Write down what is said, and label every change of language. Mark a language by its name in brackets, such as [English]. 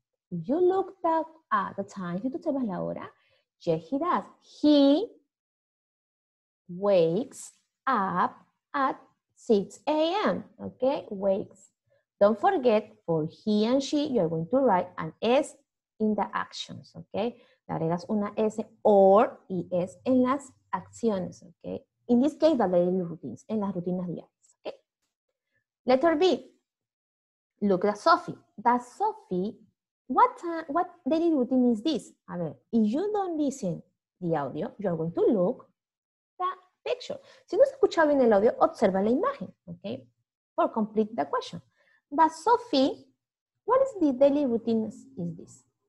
[English] You looked up at the time, [Spanish] si tú observas la hora, [English] yes, he does. He wakes up at 6 a.m., okay? Wakes. Don't forget, for he and she, you're going to write an S in the actions, okay? [Spanish] Le agregas una S [English] or [Spanish] ES en las acciones, [English] okay? In this case, the daily routines, [Spanish] en las rutinas diarias. [English] Letter B. Look at Sophie. Does Sophie, what daily routine is this? [Spanish] A ver, [English] if you don't listen the audio, you're going to look the picture. [Spanish] Si no se escucha bien el audio, observa la imagen, [English] okay? For complete the question. Does Sophie, what is the daily routine is this?